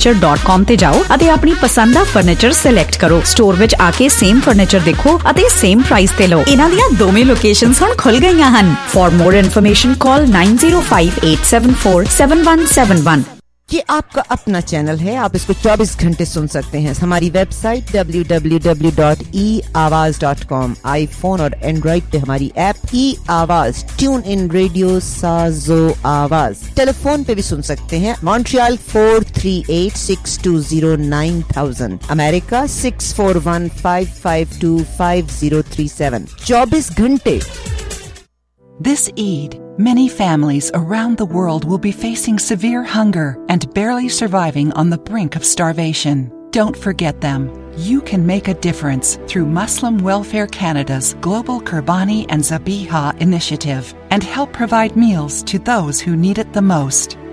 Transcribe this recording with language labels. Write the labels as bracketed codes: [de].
[pa] furniture.com ਤੇ ਜਾਓ ਅਤੇ ਆਪਣੀ ਪਸੰਦ ਦਾ ਫਰਨੀਚਰ ਸਿਲੈਕਟ ਕਰੋ। ਸਟੋਰ ਵਿੱਚ ਆ ਕੇ ਸੇਮ ਫਰਨੀਚਰ ਦੇਖੋ ਅਤੇ ਸੇਮ ਪ੍ਰਾਈਸ ਤੇ ਲਓ। ਇਹਨਾਂ ਦੀਆਂ ਦੋਵੇਂ ਲੋਕੇਸ਼ਨਸ ਹੁਣ ਖੁੱਲ ਗਈਆਂ ਹਨ। [en] For more information call 9058747171। [hi] ये आपका अपना चैनल है, आप इसको 24 घंटे सुन सकते हैं। हमारी वेबसाइट www.eawaz.com, आईफोन और एंड्रॉइड पे हमारी ऐप ई आवाज, ट्यून इन रेडियो साजो आवाज। टेलीफोन पे भी सुन सकते हैं, मॉन्ट्रियल 4386209000, अमेरिका 6415525037। 24 घंटे। [en] This Eid, many families around the world will be facing severe hunger and barely surviving on the brink of starvation. Don't forget them. You can make a difference through Muslim Welfare Canada's Global Qurbani and Zabiha Initiative and help provide meals to those who need it the most.